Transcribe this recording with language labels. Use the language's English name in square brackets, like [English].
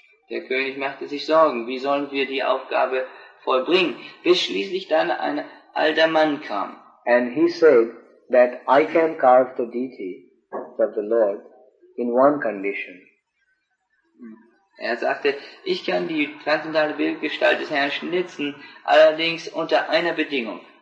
[German] Der König machte sich Sorgen, wie sollen wir die Aufgabe vollbringen, bis schließlich dann ein alter Mann kam. [English] And he said that I can carve the deity of the Lord in one condition. [German] Er sagte, ich kann die transzendentale Bildgestalt des Herrn schnitzen, allerdings unter einer Bedingung.